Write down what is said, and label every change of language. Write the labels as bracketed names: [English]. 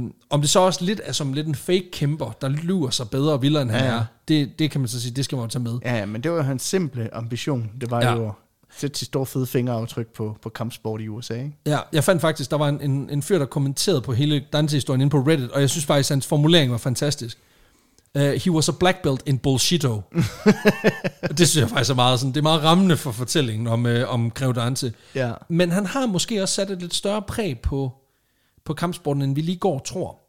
[Danish] Om det så også lidt er som lidt en fake kæmper, der lyver sig bedre og vildere end han er, det kan man så sige, det skal man jo tage med. Ja, men det var jo hans simple ambition, det var jo... sætte sit store fede fingeraftryk på kampsport i USA. Ja, jeg fandt faktisk, der var en fyr, der kommenterede på hele Dante-historien inde på Reddit, og jeg synes faktisk, hans formulering var fantastisk. [English] He was a black belt in bullshito. [Danish] Det synes jeg faktisk er meget, sådan, det er meget rammende for fortællingen om Greg Dante. Ja. Men han har måske også sat et lidt større præg på kampsporten, end vi lige går tror.